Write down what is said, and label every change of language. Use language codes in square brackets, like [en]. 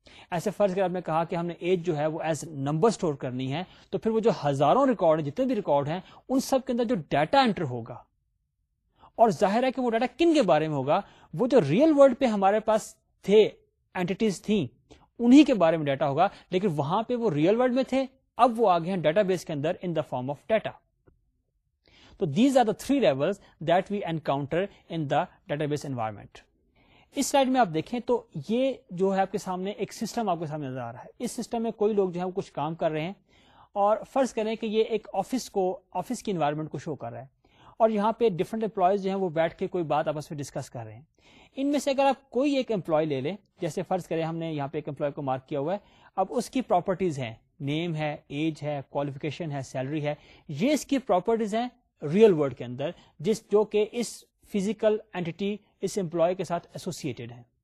[ur] ایسے فرض کر آپ نے کہا کہ ہم نے ایج جو ہے وہ ایز نمبر سٹور کرنی ہے, تو پھر وہ جو ہزاروں ریکارڈ ہیں, جتنے بھی ریکارڈ ہیں, ان سب کے اندر جو ڈیٹا انٹر ہوگا, اور ظاہر ہے کہ وہ ڈیٹا کن کے بارے میں ہوگا, وہ جو ریئل ورلڈ پہ ہمارے پاس تھے اینٹیٹیز تھیں انہی کے بارے میں ڈیٹا ہوگا, لیکن وہاں پہ وہ ریئل ورلڈ میں تھے, اب وہ آگے ہیں ڈیٹا بیس کے اندر [en] In the form of data. تو these are the three levels that we encounter in the database environment. [ur] اس slide میں آپ دیکھیں تو یہ جو ہے آپ کے سامنے ایک سسٹم آپ کے سامنے نظر آ رہا ہے. اس سسٹم میں کوئی لوگ جو ہے وہ کچھ کام کر رہے ہیں, اور فرض کریں کہ یہ ایک آفس کی انوائرمنٹ کو شو کر رہا ہے, اور یہاں پہ ڈفرنٹ امپلائیز جو ہیں وہ بیٹھ کے کوئی بات آپس میں ڈسکس کر رہے ہیں. ان میں سے اگر آپ کوئی ایک امپلائی لے لیں, جیسے فرض کریں ہم نے یہاں پہ ایک امپلائی کو مارک کیا ہوا ہے, اب اس کی پراپرٹیز ہیں, نیم ہے, ایج ہے, کوالیفیکیشن ہے, سیلری ہے, یہ اس کی پراپرٹیز ہیں ریئل ورلڈ کے اندر, جس جو کہ اس فزیکل اینٹیٹی اس امپلائی کے ساتھ ایسوسیٹیڈ ہیں.